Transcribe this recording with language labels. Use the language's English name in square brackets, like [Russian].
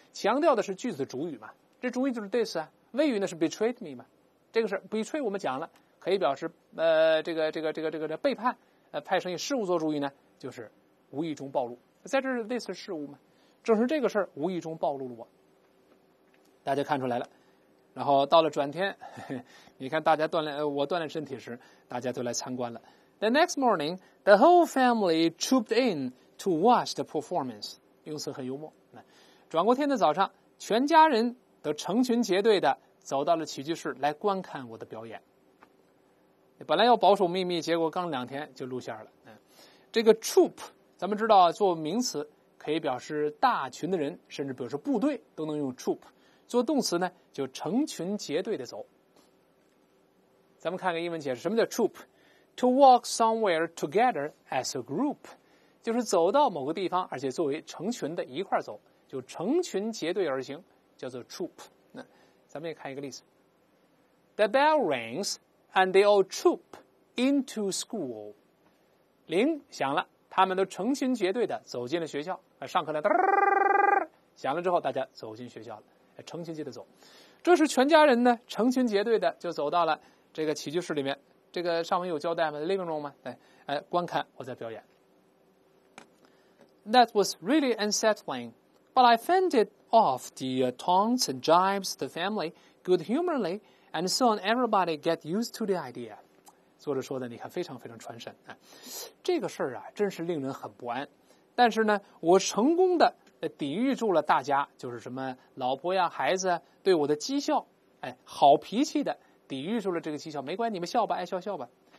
[Chinese] 强调的是句子的主语嘛，这主语就是 this 啊，谓语呢是 betrayed me 嘛，这个是 betray 我们讲了，可以表示这个背叛，派生于事物做主语呢，就是无意中暴露，在这是 this 是事物嘛，正是这个事儿无意中暴露了我，大家看出来了。然后到了转天，你看大家锻炼身体时，大家都来参观了。 [English] The next morning, the whole family trooped in to watch the performance. [Chinese] 用词很幽默。转过天的早上，全家人都成群结队的走到了起居室来观看我的表演。本来要保守秘密，结果刚两天就露馅了。这个 troop, 咱们知道做名词可以表示大群的人，甚至表示部队都能用 troop。做动词呢，就成群结队的走。咱们看个英文解释，什么叫 troop? [English] To walk somewhere together as a group, [Chinese] 就是走到某个地方，而且作为成群的一块走，就成群结队而行，叫做 troop。那咱们也看一个例子。 [English] The bell rings and they all troop into school. [Chinese] 铃响了，他们都成群结队的走进了学校。上课了，响了之后，大家走进学校了，成群结队走。这时全家人呢，成群结队的就走到了这个起居室里面。这个上文有交代吗 ？Living room 吗？哎，观看我在表演。 [English] That was really unsettling, but I fended off the taunts and jibes of the family good humoredly, and so on. Everybody get used to the idea. [Chinese] 作者说的，你看非常非常传神啊，这个事儿啊，真是令人很不安。但是呢，我成功的抵御住了大家，就是什么老婆呀、孩子对我的讥笑，哎，好脾气的抵御住了这个讥笑，没关系，你们笑吧，爱笑笑吧。